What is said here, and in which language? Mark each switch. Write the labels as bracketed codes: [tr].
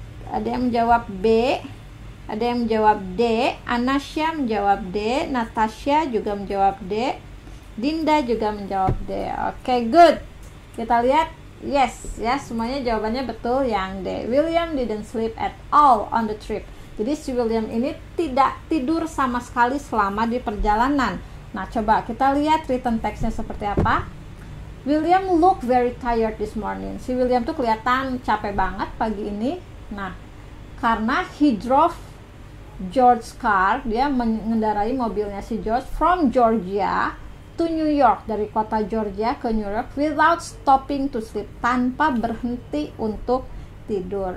[id] Ada yang menjawab B, ada yang menjawab D, Anasya menjawab D, Natasha juga menjawab D, Dinda juga menjawab D. [en] Okay, good. [id] Kita lihat, yes, semuanya jawabannya betul yang D. [en] William didn't sleep at all on the trip. [id] Jadi si William ini tidak tidur sama sekali selama di perjalanan. Nah, coba kita lihat written text-nya seperti apa. [en] William looked very tired this morning. [id] Si William tuh kelihatan capek banget pagi ini. Nah, karena [en] he drove George's car, [id] dia mengendarai mobilnya si George [en] from Georgia to New York, [id] dari kota Georgia ke New York [en] without stopping to sleep, [id] tanpa berhenti untuk tidur.